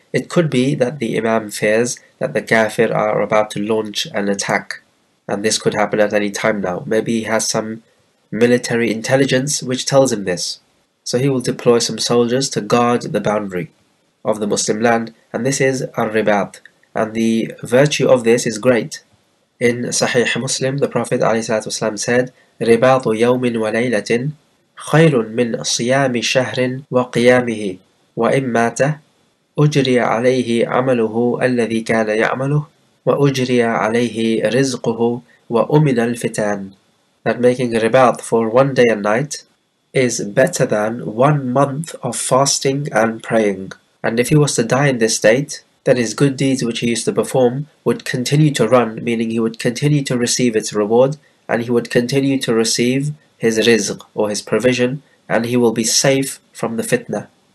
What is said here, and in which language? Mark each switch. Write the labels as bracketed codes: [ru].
[en] It could be that the Imam fears that the kafir are about to launch an attack. And this could happen at any time now. Maybe he has some military intelligence which tells him this. So he will deploy some soldiers to guard the boundary of the Muslim land. And this is al-ribat. And the virtue of this is great. In Sahih Muslim, the Prophet ﷺ said, [ar] رِبَاطُ يَوْمٍ وَلَيْلَةٍ خَيْرٌ مِنْ صِيَامِ شَهْرٍ وَقِيَامِهِ وَإِمْ مَاتَ أُجْرِيَ عَلَيْهِ عَمَلُهُ الَّذِي كَانَ يَعْمَلُهُ وَأُجْرِيَ عَلَيْهِ رِزْقُهُ وَأُمِنَ الْفِتَانِ. [en] That making ribat for one day and night is better than 1 month of fasting and praying. And if he was to die in this state, then his good deeds which he used to perform would continue to run, meaning he would continue to receive its reward, and he would continue to receive his rizq, or his provision, and he will be safe from the fitna.